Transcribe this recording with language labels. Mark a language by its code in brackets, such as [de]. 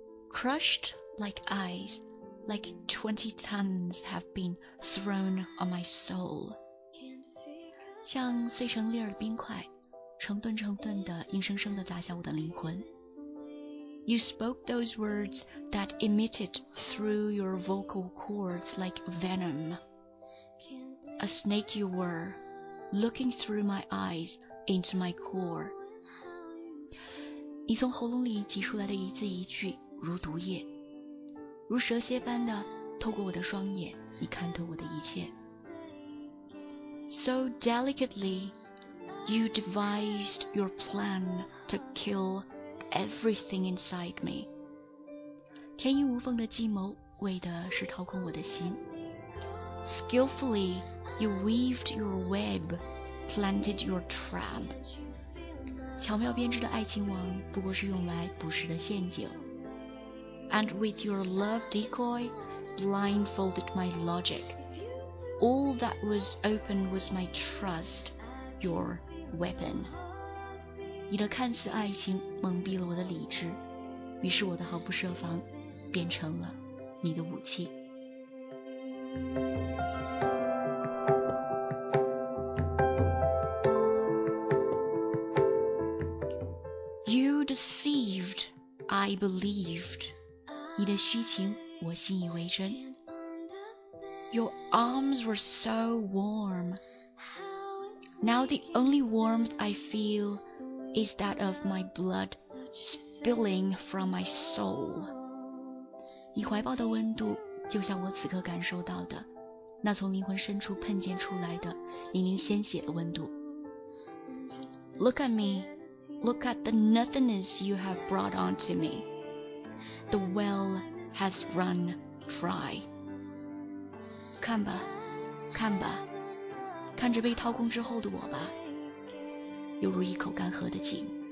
[en] Crushed like ice, like 20 tons have been thrown on my soul。 [zh] 像碎成粒儿的冰块，成吨成吨的，硬生生的砸向我的灵魂。 [en] You spoke those words that emitted through your vocal cords like venom. A snake you were, looking through my eyes into my core. [zh] 你从喉咙里挤出来的一字一句如毒液，如蛇蝎般的透过我的双眼，你看透我的一切。 [en] So delicately, you devised your plan to kill everything inside me. [zh] 天衣无缝的计谋，为的是掏空我的心。 [en] Skillfully, you weaved your web, planted your trap. [zh] 巧妙编织的爱情网，不过是用来捕食的陷阱。 [en] And with your love decoy, blindfolded my logic. All that was open was my trust, your weapon. [zh] 你的看似爱情蒙蔽了我的理智，于是我的毫不设防变成了你的武器。 [en] You deceived, I believed. [zh] 你的虚情我信以为真。 [en] Your arms were so warm. Now the only warmth I feel is that of my blood spilling from my soul. [zh] 你怀抱的温度就像我此刻感受到的，那从灵魂深处喷溅出来的淋漓鲜血的温度。 [en] Look at me. Look at the nothingness you have brought onto me. The well has run dry. [zh] 看吧，看吧，看着被掏空之后的我吧，犹如一口干涸的井。